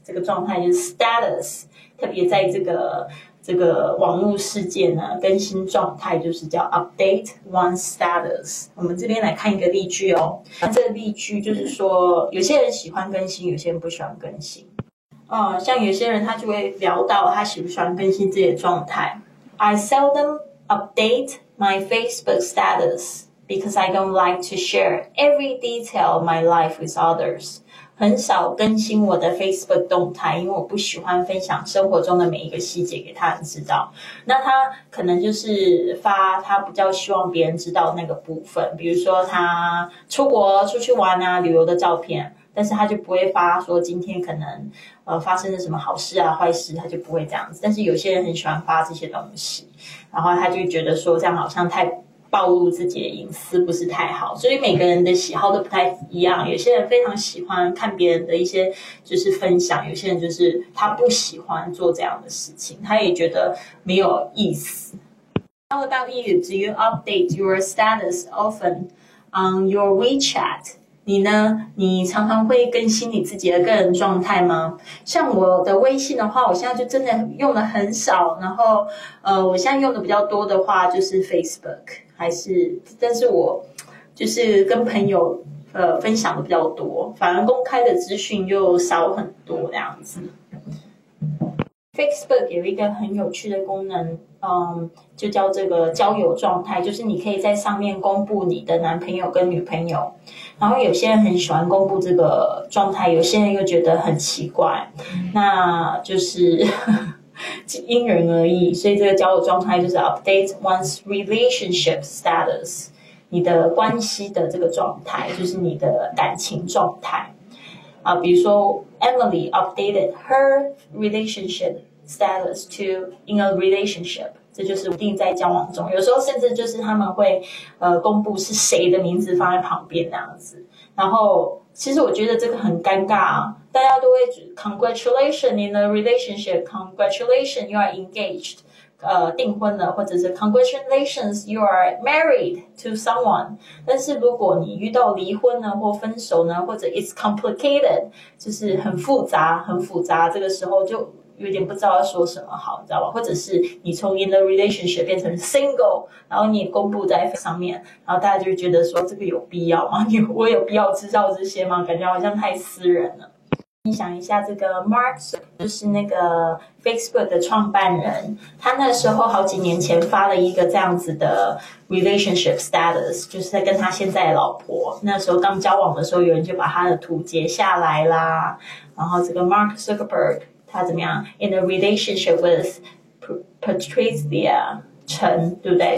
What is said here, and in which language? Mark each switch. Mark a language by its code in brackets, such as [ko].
[zh] 这个状态就是 status， 特别在这个网络世界呢，更新状态就是叫 [en] update one status。 [zh] 我们这边来看一个例句哦，那这个例句就是说有些人喜欢更新，有些人不喜欢更新。像有些人他就会聊到他喜不喜欢更新自己的状态。 [en] I seldom update my Facebook status because I don't like to share every detail of my life with others。 [zh] 很少更新我的 Facebook 动态，因为我不喜欢分享生活中的每一个细节给他人知道。那他可能就是发他比较希望别人知道那个部分，比如说他出国出去玩啊，旅游的照片，但是他就不会发说今天可能发生了什么好事啊坏事，他就不会这样子。但是有些人很喜欢发这些东西，然后他就觉得说这样好像太暴露自己的隐私不是太好，所以每个人的喜好都不太一样。有些人非常喜欢看别人的一些就是分享，有些人就是他不喜欢做这样的事情，他也觉得没有意思。 [en] How about you? Do you update your status often on your WeChat? [zh] 你呢？你常常会更新你自己的个人状态吗？像我的微信的话，我现在就真的用的很少，然后我现在用的比较多的话就是 Facebook，还是，但是我就是跟朋友分享的比较多，反而公开的资讯又少很多这样子。 Facebook 有一个很有趣的功能，就叫这个交友状态，就是你可以在上面公布你的男朋友跟女朋友。然后有些人很喜欢公布这个状态，有些人又觉得很奇怪，那就是因人而异。所以这个交友状态就是 [en] update one's relationship status， [zh] 你的关系的这个状态，就是你的感情状态啊。比如说 [en] Emily updated her relationship status to in a relationship， [zh] 这就是一定在交往中。有时候甚至就是他们会公布是谁的名字放在旁边那样子。然后其实我觉得这个很尴尬啊，大家都会 [en] congratulation in a relationship, congratulation you are engaged, [zh] 订婚了，或者是 [en] congratulations you are married to someone, [zh] 但是如果你遇到离婚呢或分手呢，或者 [en] it's complicated, [zh] 就是很复杂很复杂，这个时候就有点不知道要说什么好，你知道吧？或者是你从 [en] in the relationship [zh] 变成 single, 然后你也公布在上面，然后大家就觉得说这个有必要吗？我有必要知道这些吗？感觉好像太私人了。你想一下，这个 Mark 就是那个 Facebook 的创办人，他那时候好几年前发了一个这样子的 [en] relationship status, [zh] 就是在跟他现在的老婆那时候刚交往的时候，有人就把他的图截下来啦。然后这个 Mark Zuckerberg,他怎么样 [en] in a relationship with Patricia Chen, [zh] 对不对？